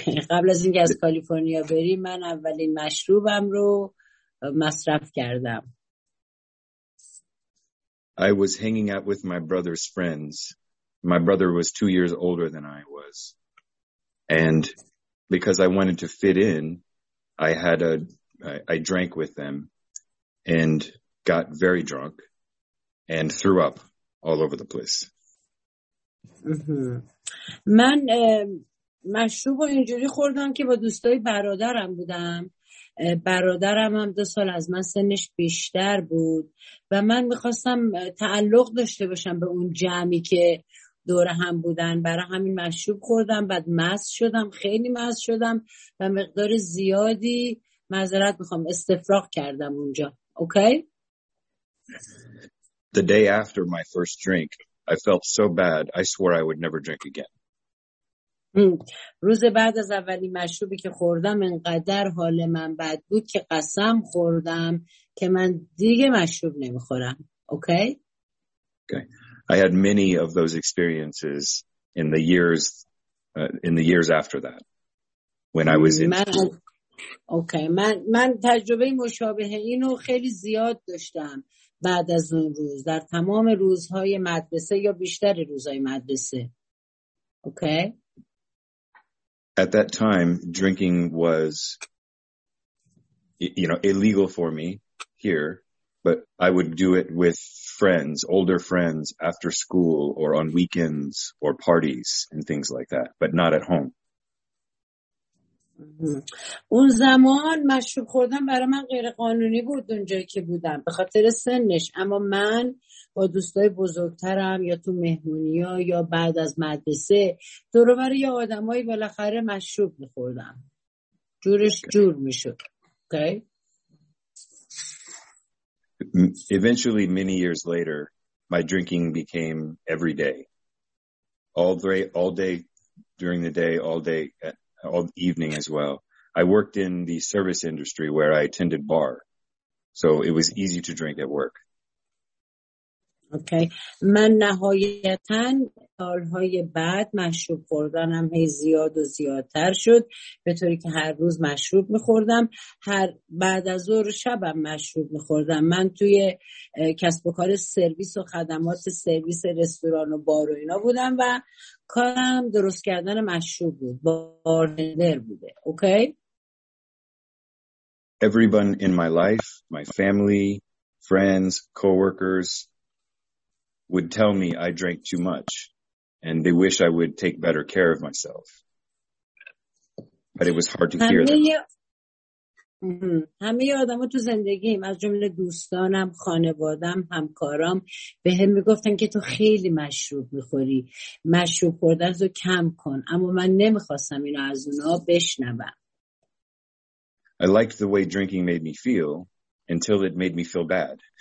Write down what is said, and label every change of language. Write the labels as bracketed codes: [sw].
[fa] قبل از اینکه از کالیفرنیا بریم من اولین مشروبم رو مصرف کردم. [en] I was hanging out with my brother's friends. My brother was 2 years older than I was. And because I wanted to fit in, I drank with them and got very drunk and threw up all over the place. [fa] من مشروب اینجوری خوردم که با دوستای برادرم بودم. برادرم هم 2 سال از من سنش بیشتر بود و من میخواستم تعلق داشته باشم به اون جمعی که دور هم بودن، برای همین مشروب خوردم، بعد مست شدم، خیلی مست شدم و مقدار زیادی معذرت میخوام استفراغ کردم اونجا. [en] Okay? The day after my first drink I felt so bad I swore I would never drink again. [fa] روز بعد از اولین مشروبی که خوردم انقدر حال من بد بود که قسم خوردم که من دیگه مشروب نمیخورم. [en] Okay? Okay. I had many of those experiences in the years after that when I was in school. [fa] Okay, من تجربه مشابه اینو خیلی زیاد داشتم بعد از اون روز در تمام روزهای مدرسه یا بیشتر روزهای مدرسه. [en] Okay? At that time drinking was illegal for me here. But I would do it with friends, older friends, after school or on weekends or parties and things like that, but not at home. [fa] اون زمان مشروب خوردن برای من غیر قانونی بود اونجایی که بودم به خاطر سنش، اما من با دوستای بزرگترم یا تو مهمونی ها یا بعد از مدرسه دور و بر یه آدمایی بالاخره مشروب می‌خوردم. جورش جور میشد. اوکی؟ [en] Eventually, many years later, my drinking became every day. All day during the day, all evening as well. I worked in the service industry where I attended bar. So it was easy to drink at work. Okay. [fa] من نهایتاً سالهای بعد مشروب خوردنم هی زیاد و زیادتر شد به طوری که هر روز مشروب میخوردم، هر بعد از ظهر شبم مشروب میخوردم. من توی کسب و کار سرویس و خدمات سرویس رستوران و بار و اینا بودم و کارم درست کردن مشروب بود، بارندر بوده. [en] Okay? Everyone in my life, my family, friends, coworkers would tell me I drank too much and they wish I would take better care of myself. But it was hard to hear that. [fa] همه آدم‌ها تو زندگیم از جمله دوستانم، خانوادم، همکارام به هم میگفتن که تو خیلی مشروب میخوری، مشروب خوردن رو کم کن، اما من نمیخواستم اینو از اونا بشنوم. [en] I liked the way drinking made me feel until it made me feel bad.